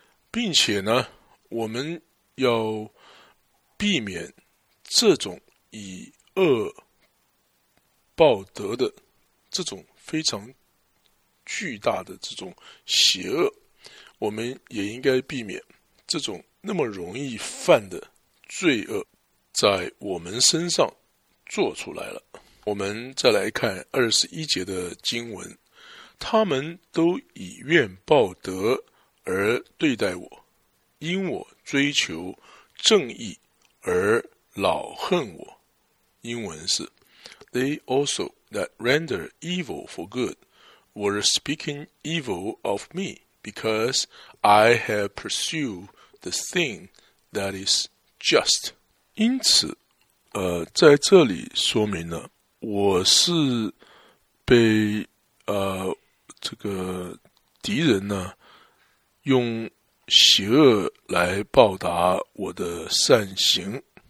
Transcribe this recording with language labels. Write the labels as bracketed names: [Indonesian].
[Chinese] 并且呢，我们要避免这种以恶报德的这种非常巨大的这种邪恶，我们也应该避免这种那么容易犯的罪恶在我们身上做出来了。我们再来看21节的经文，他们都以怨报德而对待我，因我追求正义而老恨我。英文是 [English] They also that render evil for good were speaking evil of me because I have pursued the thing that is just. [Chinese] 因此在这里说明了我是被这个敌人呢用邪恶来报答我的善行。